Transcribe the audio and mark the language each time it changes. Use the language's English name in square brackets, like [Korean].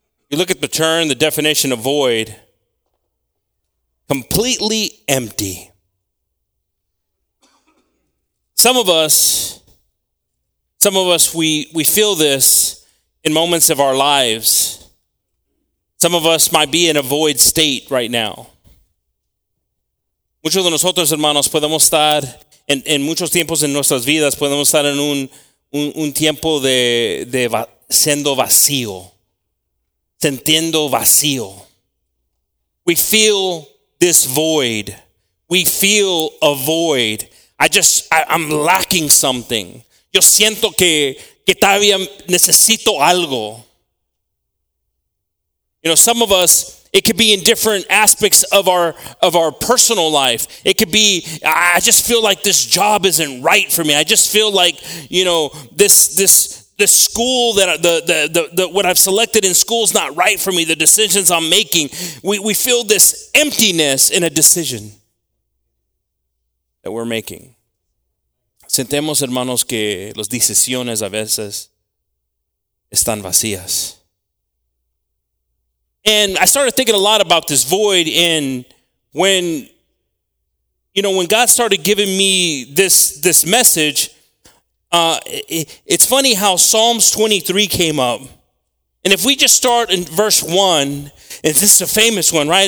[English] You look at the term, the definition of void, completely empty. Some of us, we feel this in moments of our lives. Some of us might be in a void state right now. [Spanish] Muchos de nosotros, hermanos, podemos estar en muchos tiempos en nuestras vidas, podemos estar en un tiempo de siendo vacío, sintiendo vacío. [English] We feel this void. We feel a void. I'm lacking something. [Spanish] Yo siento que todavía necesito algo. [English] You know, some of us, it could be in different aspects of our personal life. It could be, I just feel like this job isn't right for me. I just feel like, you know, this school that the what I've selected in school is not right for me. The decisions I'm making, we feel this emptiness in a decision that we're making. [Spanish] Sentemos, hermanos, que las decisiones a veces están vacías. [English] And I started thinking a lot about this void, and when God started giving me this message, it's funny how Psalms 23 came up. And if we just start in verse 1, and this is a famous one, right?